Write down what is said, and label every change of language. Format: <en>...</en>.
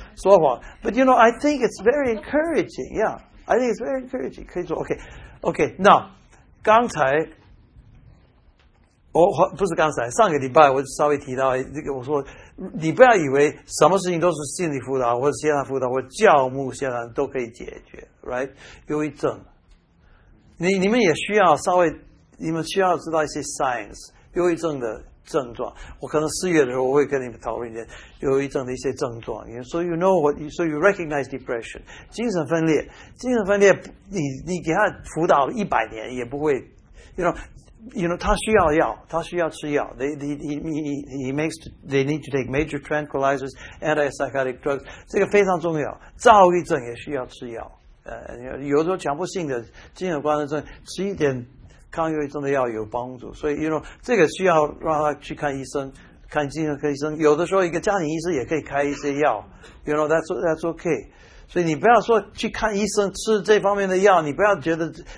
<zh>说谎</zh> <en>，but you know I think it's very encouraging， yeah， I think it's very encouraging，</en> <zh>可以做</zh> <en>，OK， now， 刚才。</en> <zh>不是刚才，上个礼拜我稍微提到这个，我说你不要以为什么事情都是心理辅导或者线上辅导或者教牧线上都可以解决 ，right？忧郁症，你们也需要稍微，你们需要知道一些 signs， 忧郁症的症状。我可能四月的时候我会跟你们讨论一点忧郁症的一些症状。</zh> <en>So you know what? So you recognize depression，</en> <zh>精神分裂，精神分裂，你给他辅导一百年也不会 ，you know。 You know, 他需要药，他需要吃药。</zh> <en>They need to take major tranquilizers, antipsychotic drugs.</en> <zh>这个非常重要。躁郁症也需要吃药。有时候强迫性的精神官能症，吃一点抗忧郁症的药有帮助。所以 ，you know, 这个需要让他去看医生，看精神科医生。有的时候一个家庭医生也可以开一些药。</zh> <en>You know, that's okay.</en> <zh>所以你不要说去看医生吃这方面的药，你不要觉得。</zh>